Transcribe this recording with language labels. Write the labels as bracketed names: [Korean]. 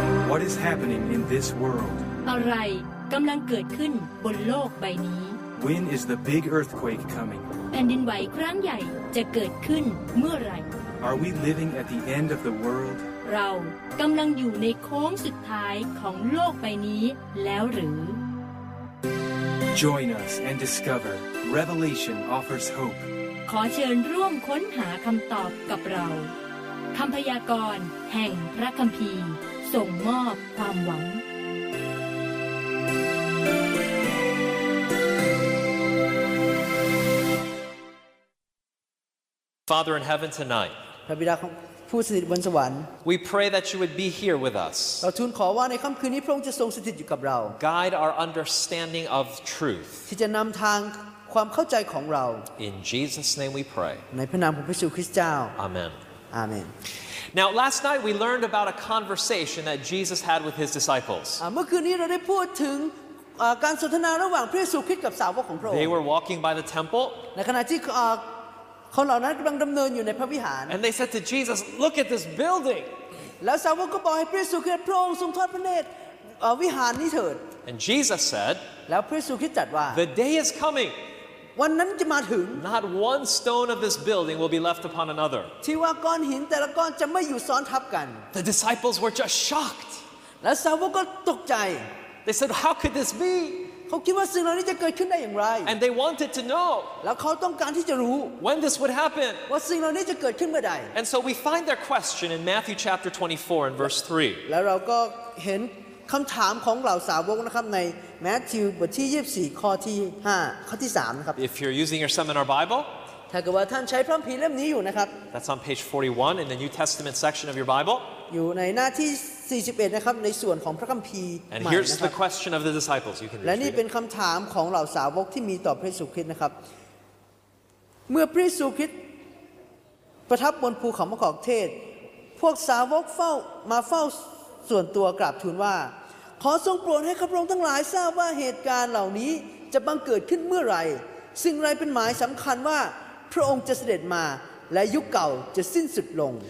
[English] What is happening in this world? [Thai] อะไรกำลังเกิดขึ้นบนโลกใบนี้ [English] When is the big earthquake coming? [Thai] แผ่นดินไหวครั้งใหญ่จะเกิดขึ้นเมื่อไร [English] Are we living at the end of the world? [Thai] เรากำลังอยู่ในโค้งสุดท้ายของโลกใบนี้แล้วหรือ [English] Join us and discover Revelation offers hope. [Thai] ขอเชิญร่วมค้นหาคำตอบกับเราคำพยากรณ์แห่งพระคัมภีร์ส่งมอบความหวัง [English] Father in heaven tonight. [Thai] พระบิดาของผู้สถิตบนสวรรค์ [English] We pray that you would be here with us. [Thai] เราทูลขอว่าในค่ำคืนนี้พระองค์จะทรงสถิตอยู่กับเรา [English] Guide our understanding of truth. [Thai] ที่จะนำทางความเข้าใจของเรา [English] In Jesus name we pray. [Thai] ในพระนามของพระเยซูคริสต์เจ้า [English] Amen. Amen. Now last night we learned about a conversation that Jesus had with his disciples. [Thai] เมื่อคืนนี้เราได้พูดถึงการสนทนาระหว่างพระเยซูคริสต์กับสาวกของพระองค์ [English] They were walking by the temple. [Thai] ในขณะที่คนเหล่านั้นกำลังดำเนินอยู่ในพระวิหาร [English] And they said to Jesus, "Look at this building." [Thai] แล้วสาวกก็บอกให้พระเยซูคริสต์พระองค์ทรงทอดพระเนตรวิหารนี้เถิด [English] And Jesus said, [Thai] แล้วพระเยซูคริสต์ตรัสว่า [English] "The day is coming." [Thai] วันนั้นจะมาถึง [English] Not one stone of this building will be left upon another. [Thai] ที่ว่าก้อนหินแต่ละก้อนจะไม่อยู่ซ้อนทับกัน [English] The disciples were just shocked. [Thai] แล้วสาวกก็ตกใจ [English] They said, "How could this be?" [Thai] เขาคิดว่าสิ่งเหล่านี้จะเกิดขึ้นได้อย่างไร [English] And they wanted to know [Thai] แล้วเขาต้องการที่จะรู้ [English] When this would happen [Thai] ว่าสิ่งเหล่านี้จะเกิดขึ้นเมื่อใด [English] And so we find their question in Matthew chapter 24 and verse 3 [Thai] แล้วเราก็เห็นคำถามของเหล่าสาวกนะครับใน Matthew บทที่24ข้อที่5ข้อที่3นะครับ [English] If you're using your seminar Bible [Thai] ถ้าเกิดว่าท่านใช้พระคัมภีร์เล่มนี้อยู่นะครับ [English] That's on page 41 in the New Testament section of your Bible [Thai] อยู่ในหน้าที่41นะครับในส่วนของพระคัมภีร์ [English] And here's the question of the disciples you can read [Thai] และนี่เป็นคำถามของเหล่าสาวกที่มีต่อพระเยซูคริสต์นะครับเมื่อพระเยซูคริสต์ประทับบนภูเขามะกอกเทศพวกสาวกเฝ้าส่วนตัวกราบทูลว่าขอทรงโปรดให้ข้าพระองค์ทั้งหลายทราบว่าเหตุการณ์เหล่านี้จะบังเกิดขึ้นเมื่อไรสิ่งไรเป็นหมายสำคัญว่าพระองค์จะเสด็จมาและยุคเก่าจะสิ้นสุดลง